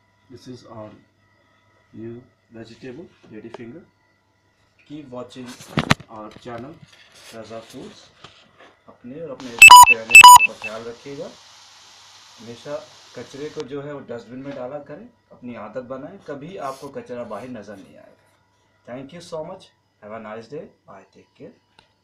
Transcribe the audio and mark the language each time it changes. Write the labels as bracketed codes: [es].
[en] this is our new vegetable, lady finger. Keep watching our channel, Raza Foods. [hi] अपने और अपने प्यारे का ख्याल रखिएगा. हमेशा कचरे को जो है वो डस्टबिन में डाला करें. अपनी आदत बनाएं. कभी आपको कचरा बाहर नजर नहीं आएगा. [en] Thank you so much. Have a nice day. Bye. Take care.